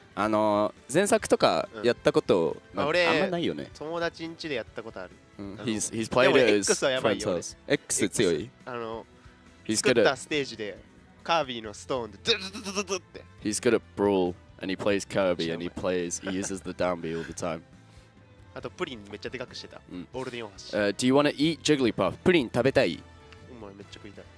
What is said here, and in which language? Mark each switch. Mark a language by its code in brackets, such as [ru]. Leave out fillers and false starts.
[ja] あの前作とかやったこと、まあ、あんまないよね。友達ん家でやったことある。 [en] He's played his friend's house. [ja] X 強い。あの作ったステージでカービィのストーンでドゥドゥドゥドゥドゥって。 [en] He's good at brawl and he plays Kirby and he uses the down B all the time. [ja] あとプリンめっちゃでかくしてた。ボールディオン橋。 [en] Do you wanna eat Jigglypuff? [ja] プリン食べたい。うん、めっちゃ食いたい。